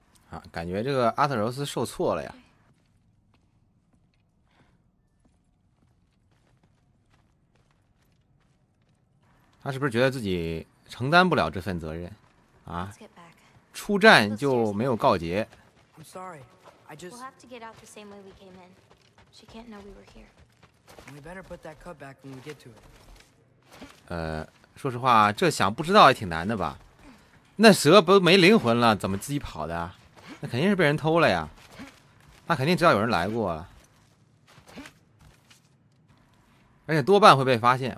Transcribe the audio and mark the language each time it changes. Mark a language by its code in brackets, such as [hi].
[zh] 啊，感觉这个阿特柔斯受挫了呀。他是不是觉得自己承担不了这份责任啊？出战就没有告捷。 [en] We'll have to get out the same way we came in. She can't know we were here. We better put that cup back when we get to it. [zh] 说实话，这想不知道也挺难的吧？那蛇不没灵魂了，怎么自己跑的？那肯定是被人偷了呀。他肯定知道有人来过了，而且多半会被发现。